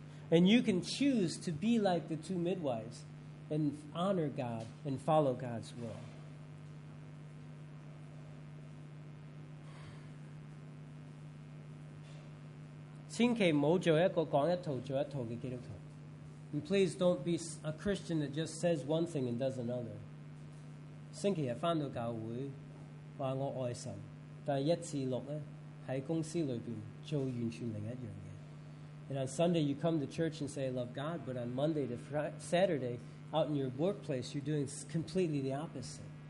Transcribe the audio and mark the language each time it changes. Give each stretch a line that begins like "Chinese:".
English: And you can choose to be like the two midwives and honor God and follow God's will. And please don't be a Christian that just says one thing and does another.
Cantonese: 星期日翻到教会，话我爱神，但系一至六咧喺公司里边做完全另一样。
English: And on Sunday, you come to church and say, I love God. But on Monday to Saturday, out in your workplace, you're doing completely the opposite.